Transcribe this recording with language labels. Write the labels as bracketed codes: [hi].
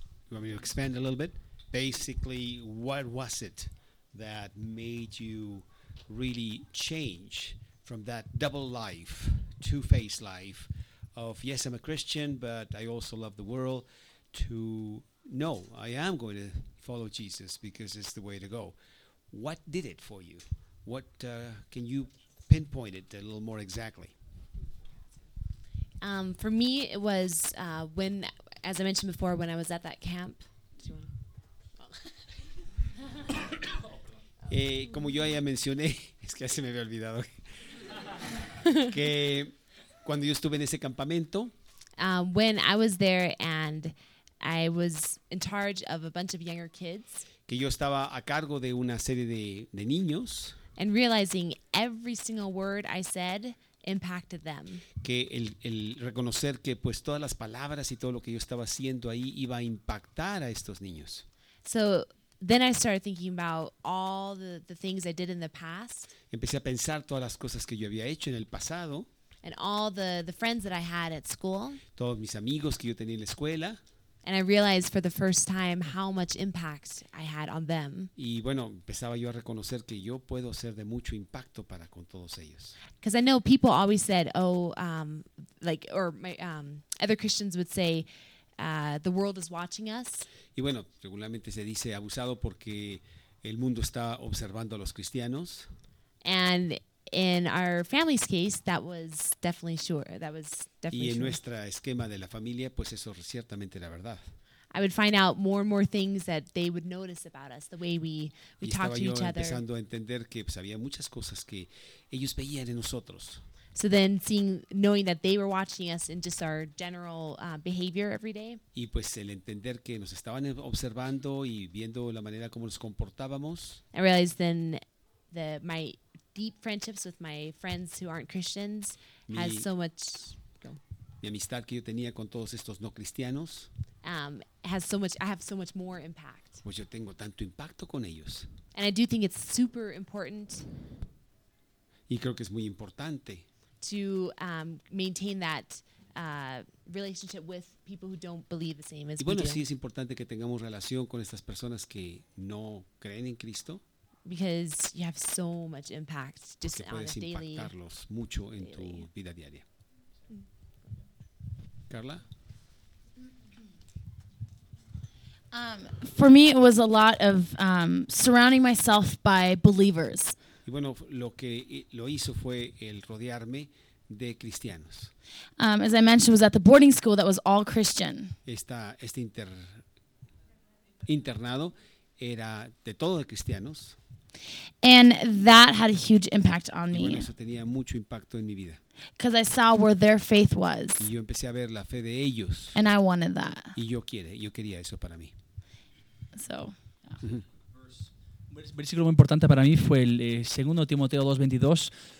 [en] You want me to expand a little bit? Basically, what was it that made you really change from that double life, two-faced life of, yes, I'm a Christian, but I also love the world, to, no, I am going to follow Jesus because it's the way to go. What did it for you? What can you... pinpointed a little more exactly. For me, it was when, as I mentioned before, when I was at that camp. [es] Como yo ya mencioné, es que ya se me había olvidado que cuando yo estuve en ese campamento. [en] When I was there and I was in charge of a bunch of younger kids. [es] Que yo estaba a cargo de una serie de niños. [en] And realizing every single word I said impacted them. [es] Que el reconocer que pues todas las palabras y todo lo que yo estaba haciendo ahí iba a impactar a estos niños. [en] So then I started thinking about all the things I did in the past. [es] Empecé a pensar todas las cosas que yo había hecho en el pasado. [en] And all the friends that I had at school. [es] Todos mis amigos que yo tenía en la escuela. [en] And I realized for the first time how much impact I had on them. [es] Y bueno, empezaba yo a reconocer que yo puedo ser de mucho impacto para con todos ellos. [en] Because I know people always said, other Christians would say, the world is watching us. [es] Y bueno, regularmente se dice abusado porque el mundo está observando a los cristianos. [en] And in our family's case, that was definitely sure. That was definitely true. [es] Y en nuestro esquema de la familia, pues eso ciertamente era verdad. [en] I would find out more and more things that they would notice about us, the way we talk to each other. [es] Y estaba yo empezando a entender que pues, había muchas cosas que ellos veían en nosotros. [en] So then knowing that they were watching us in just our general behavior every day. [es] Y pues el entender que nos estaban observando y viendo la manera como nos comportábamos. [en] I realized then that my deep friendships with my friends who aren't Christians has so much. [es] Mi amistad que yo tenía con todos estos no cristianos. [en] Has so much. I have so much more impact. [es] Pues yo tengo tanto impacto con ellos. [en] And I do think it's super important. [es] Y creo que es muy importante. [en] To maintain that relationship with people who don't believe the same as we [es] Y bueno, sí es importante que tengamos relación con estas personas que no creen en Cristo. [en] because you have so much impact just on a daily. [es] Porque puedes impactarlos mucho en tu vida diaria. [en] Carla. For me, it was a lot of surrounding myself by believers. [es] Y bueno, lo que lo hizo fue el rodearme de cristianos. [en] As I mentioned, was at the boarding school that was all Christian. [es] Este internado era de todos los cristianos. [en] And that had a huge impact on me. [es] Y bueno, eso tenía mucho impacto en mi vida. [en] Because I saw where their faith was. [es] Y yo empecé a ver la fe de ellos. [en] And I wanted that. [es] Y yo quería eso para mí. [en] So. [es] Un versículo muy importante para mí fue el 2 Timoteo 2:22.